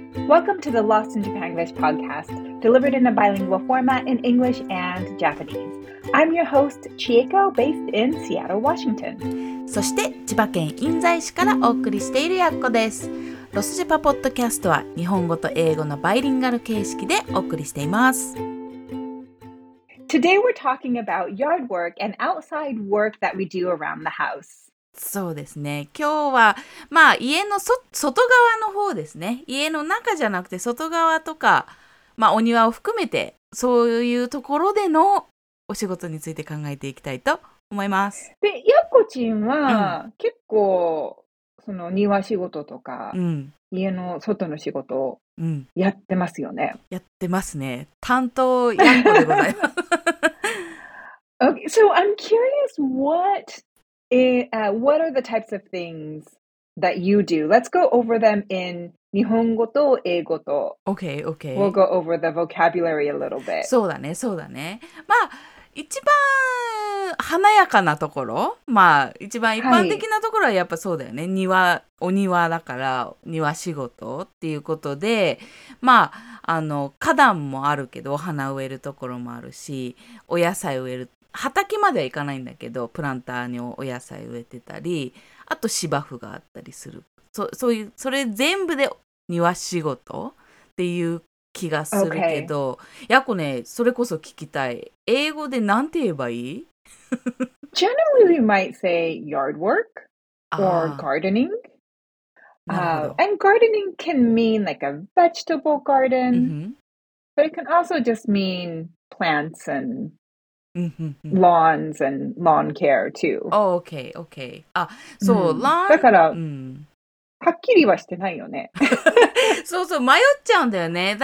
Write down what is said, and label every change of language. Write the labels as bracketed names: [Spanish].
[English] Welcome to the Lost in Japan English podcast, delivered in a bilingual format in English and Japanese. I'm your host, Chieko, based in Seattle, Washington. [Japanese] そして千葉県印西市からお送りしているやっこです。ロスジパポッドキャストは日本語と英語のバイリンガル形式でお送りしています。 [English] Today we're talking about yard work and outside work that we do around the house. [Japanese] そうですね。今日は、まあ、家の外側の方ですね。家の中じゃなくて外側とか、まあ、お庭を含めて、そういうところでのお仕事について考えていきたいと思います。で、やっこちんは、うん、結構、その庭仕事とか、うん、家の外の仕事をやってますよね。うん、やってますね。担当やっこでございます。 [English] Okay, so I'm curious, what are the types of things that you do? Let's go over them in [Japanese] 日本語と英語と。 [English] Okay, okay. We'll go over the vocabulary a little bit. [Japanese] そうだね、そうだね。まあ、一番華やかなところ、まあ、一番一般的なところはやっぱそうだよね。はい、庭、お庭だから、庭仕事っていうことで、まあ、あの、花壇もあるけど、お花植えるところもあるし、お野菜植える、畑まではいかないんだけど、プランターにお野菜植えてたり、あと芝生があったりする。そういう、それ全部で庭仕事っていう気がするけど、やこね、それこそ聞きたい。英語でなんて言えばいい？ [English] Generally, we might say yard work or gardening. And gardening can mean like a vegetable garden, but it can also just mean plants andlawns and lawn care too. Oh, okay, okay. Ah, so lawn. [Japanese] だから、うん、はっきりはしてないよね。そうそう、迷っちゃうんだよね。